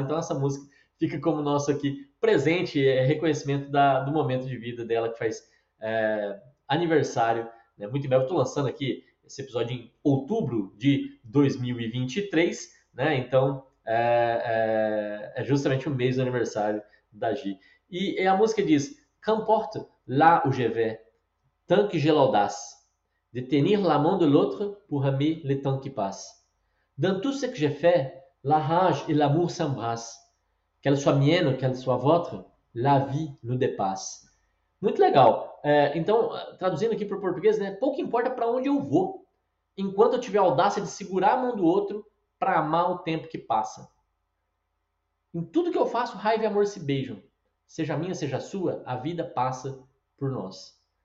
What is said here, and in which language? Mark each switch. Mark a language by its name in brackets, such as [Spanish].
[Portuguese] Então essa música fica como nosso aqui presente, reconhecimento do momento de vida dela que faz aniversário, né? Muito em breve. Eu estou lançando aqui esse episódio em outubro de 2023, né? Então é justamente o mês do aniversário da Gi. E a música diz: [French] Qu'importe là où je vais, tant que j'ai l'audace de tenir la main de l'autre pour aimer le temps qui passe. Dans tout ce que j'ai fait, la rage et l'amour s'embrassent. Qu'elle soit mienne ou qu'elle soit votre, la vie nous dépasse. [Portuguese] Muito legal. Então, traduzindo aqui para o português, né? Pouco importa para onde eu vou, enquanto eu tiver a audácia de segurar a mão do outro para amar o tempo que passa. Em tudo que eu faço, raiva e amor se beijam. Seja minha, seja sua, a vida passa por nós.